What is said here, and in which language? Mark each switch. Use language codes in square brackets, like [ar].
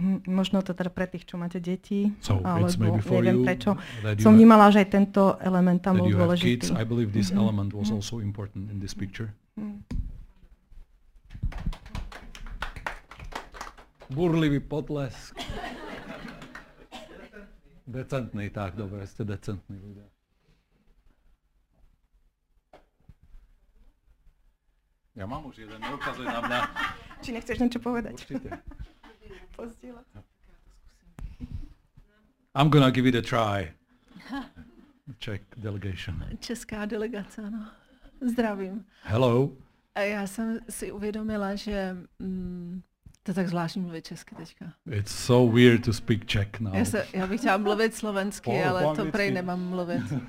[sk] Možno to teda pre tých, čo máte deti, [en] so [sk] alebo [en] it's maybe for [sk] neviem [en] you, [sk] prečo. Som vnímala, že aj tento element tam bol dôležitý. [en] Kids, I believe this element was also important in this picture. [sk] Burlivý potlesk. Decentný, tak dobre, ste decentní ľudia. Ja mám už jeden, neukazuj na mňa. Či nechceš niečo povedať? Určite. Pozdieľať. [en] I'm gonna give it a try. Czech delegation. [cs] Česká delegace, ano. Zdravím. [en] Hello. [sk] Ja som si uvedomila, [cs] že to tak zvláštne mluvit česky teďka. [en] It's so weird to speak Czech now. [cs] Ja bych chtěla mluvit slovensky, ale to prej nemám mluvit.